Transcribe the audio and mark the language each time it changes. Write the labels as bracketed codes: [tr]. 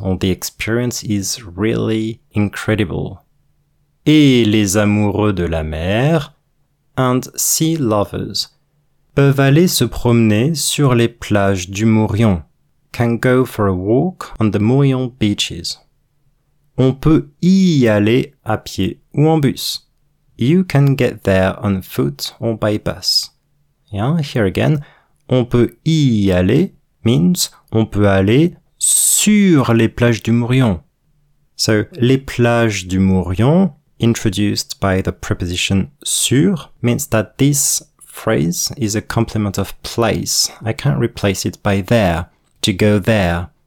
[en] Well, the experience is really incredible. [fr] Et les amoureux de la mer [en] and sea lovers [fr] peuvent aller se promener sur les plages du Morion. [en] Can go for a walk on the Morion beaches. [fr] On peut y aller à pied ou en bus. [en] You can get there on foot or by bus. Yeah, here again, [fr] on peut y aller [en] means [fr] on peut aller sur les plages du Morion. [en] So, [fr] les plages du Morion, [en] introduced by the preposition sur, means that this phrase is a complement of place. I can't replace it by there, to go there.